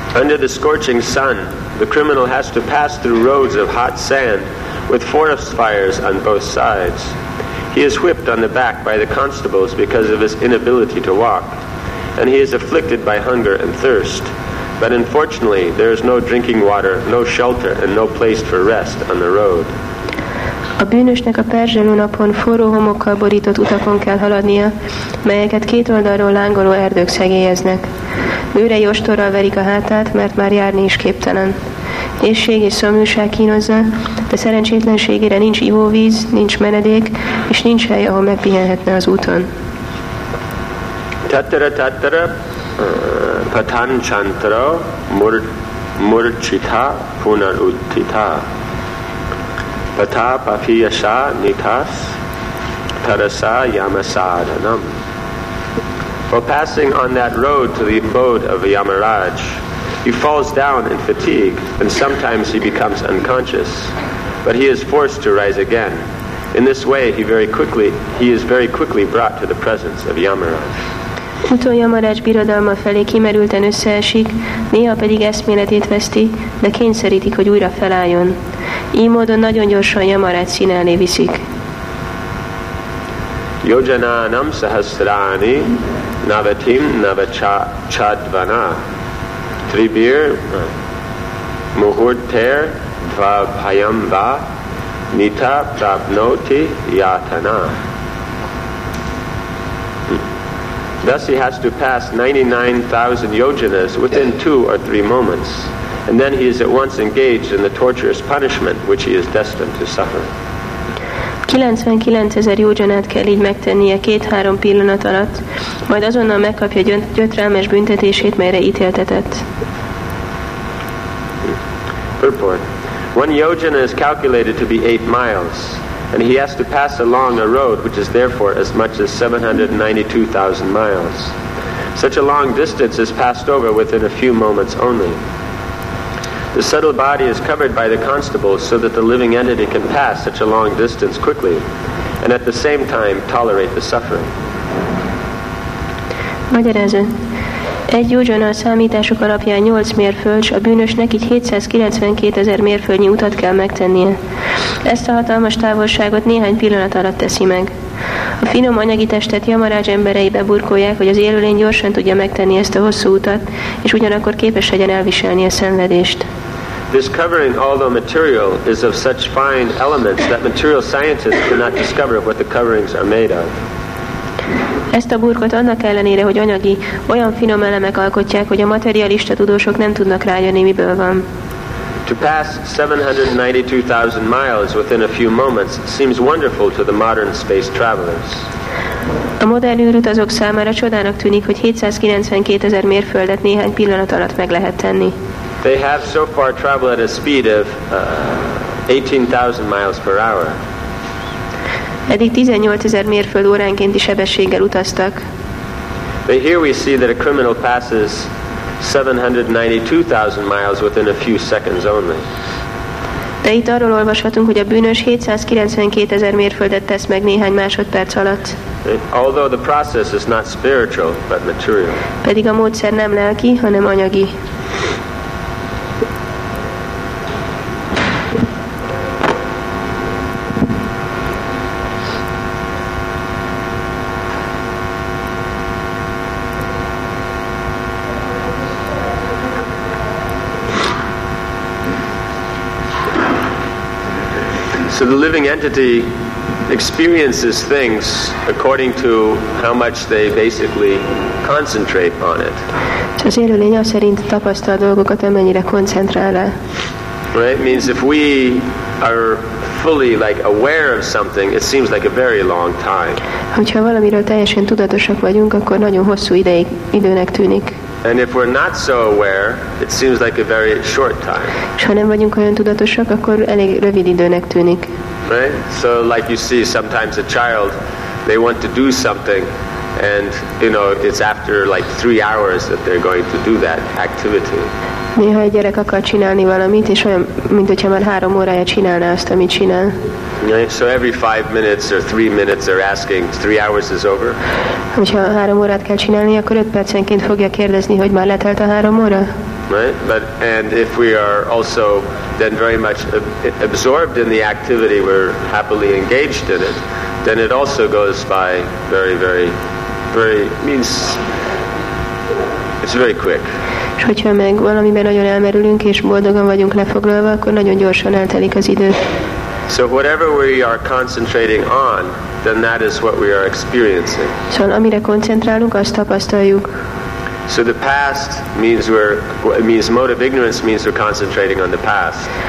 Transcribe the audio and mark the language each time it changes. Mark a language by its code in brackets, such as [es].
[en] Under the scorching sun, the criminal has to pass through roads of hot sand with forest fires on both sides. He is whipped on the back by the constables because of his inability to walk, and he is afflicted by hunger and thirst. But unfortunately, there is no drinking water, no shelter, and no place for rest on the road. [hu] A bűnösnek a perzselő napon forró homokkal borított utakon kell haladnia, melyeket két oldalról lángoló erdők szegélyeznek. Bőrei ostorral verik a hátát, mert már járni is képtelen. Éhség és szomjúság kínozza, de szerencsétlenségére nincs ivóvíz, nincs menedék, és nincs hely, ahol megpihenhetne az úton. [sa] Tatara tatara patan chantra murchita punar uttita. Patha papiyasa nithas tarasa yamasadhanam. [en] While passing on that road to the abode of Yamaraj, he falls down in fatigue, and sometimes he becomes unconscious. But he is forced to rise again. In this way, he is very quickly brought to the presence of Yamaraj. [hu] Úton Yamaraj birodalma felé kimerülten összeesik, néha pedig eszméletét veszti, de kényszerítik, hogy újra felálljon. Így módon nagyon gyorsan Yamaraj színe elé viszik. [sa] Yojananam sahasrani navatim navachadvana tribir muhurter dvabhayamba nita prapnoti yatana. [en] Thus he has to pass 99,000 yojanas within 2 or 3 moments, and then he is at once engaged in the torturous punishment which he is destined to suffer. [hu] 99,000 yojanát kell így megtennie 2-3 pillanat alatt, majd azonnal megkapja gyötrelmes büntetését, melyre ítéltetett. [en] Purport. One yojana is calculated to be 8 miles, and he has to pass along a road which is therefore as much as 792,000 miles. Such a long distance is passed over within a few moments only. The subtle body is covered by the constables so that the living entity can pass such a long distance quickly and at the same time tolerate the suffering. [hu] Magyarázza. Egy yojana a számítások alapján 8 mérföld, a bűnösnek így 792,000 mérföldnyi utat kell megtennie. Ezt a hatalmas távolságot néhány pillanat alatt teszi meg. A finom anyagi testet Yamaraj emberei beburkolják, hogy az élőlény gyorsan tudja megtenni ezt a hosszú utat, és ugyanakkor képes legyen elviselni a szenvedést. [en] This covering, although material, is of such fine elements that material scientists cannot discover what the coverings are made of. [hu] Ezt a burkot annak ellenére, hogy anyagi, olyan finom elemek alkotják, hogy a materialista tudósok nem tudnak rájönni, miből van. [en] To pass 792,000 miles within a few moments seems wonderful to the modern space travelers. [hu] A modern űrutazók számára csodának tűnik, hogy 792,000 mérföldet néhány pillanat alatt meg lehet tenni. [en] They have so far traveled at a speed of 18,000 miles per hour. [hu] Eddig 18,000 mérföld óránkénti sebességgel utaztak. [en] But here we see that a criminal passes 792,000 miles within a few seconds only. [hu] De itt arról olvashatunk, hogy a bűnös 792,000 mérföldet tesz meg néhány másodperc alatt. [en] Although the process is not spiritual, but material. [hu] Pedig a módszer nem lelki, hanem anyagi. [en] So the living entity experiences things according to how much they basically concentrate on it. [hu] Az élőlény az szerint tapasztal dolgokat, amennyire koncentrál. [en] Right? Means if we are fully like aware of something, it seems like a very long time. [hu] Hogyha valamiről teljesen tudatosak vagyunk, akkor nagyon hosszú ideig időnek tűnik. [en] And if we're not so aware, it seems like a very short time. [hu] És ha nem vagyunk olyan tudatosak, akkor elég rövid időnek tűnik. [en] Right? So like you see, sometimes a child, they want to do something, and you know, it's after like 3 hours that they're going to do that activity. [hu] Néha egy gyerek akar csinálni valamit, és olyan, mint hogyha már három órája csinálná azt, amit csinál. [en] So every 5 minutes or 3 minutes they're asking, 3 hours is over. [hu] Hogyha három órát kell csinálni, akkor 5 percenként fogja kérdezni, hogy már letelt a három óra. [en] Right, but and if we are also then very much absorbed in the activity, we're happily engaged in it, then it also goes by very, very, very, means it's very quick. [hu] És hogyha meg valamiben nagyon elmerülünk és boldogan vagyunk lefoglalva, akkor nagyon gyorsan eltelik az idő. [en] So whatever we are concentrating on, then that is what we are experiencing. [hu] Szóval amire koncentrálunk, azt tapasztaljuk. [en] So the past means mode of ignorance means we're concentrating on the past.